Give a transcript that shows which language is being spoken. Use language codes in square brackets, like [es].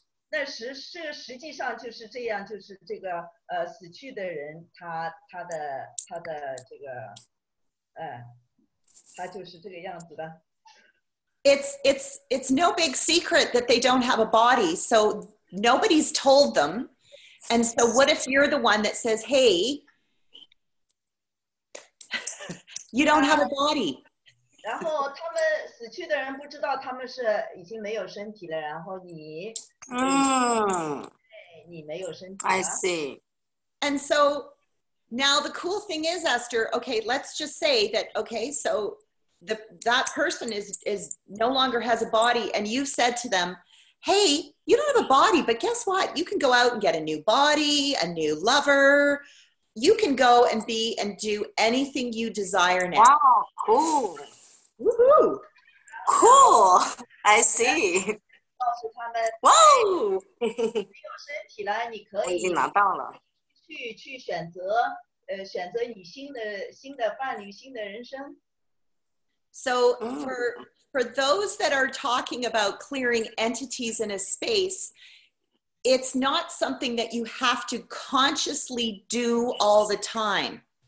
[zh] 那实际上就是这样，就是这个死去的人他的这个他就是这个样子的。 [en] It's no big secret that they don't have a body, so nobody's told them. And so what if you're the one that says, hey, you don't have a body? [zh] 然后他们死去的人不知道他们是已经没有身体了，然后你。 [en] I see. And so now the cool thing is, Esther, okay, let's just say that, okay, so that person is no longer has a body, and you said to them, hey, you don't have a body, but guess what? You can go out and get a new body, a new lover. You can go and be and do anything you desire now. Wow, cool. Woohoo. Cool. I see. Wow. [zh] 选择你新的伴侣、新的人生。 [en] So for those that are talking about clearing entities in a space, it's not something that you have to consciously do all the time.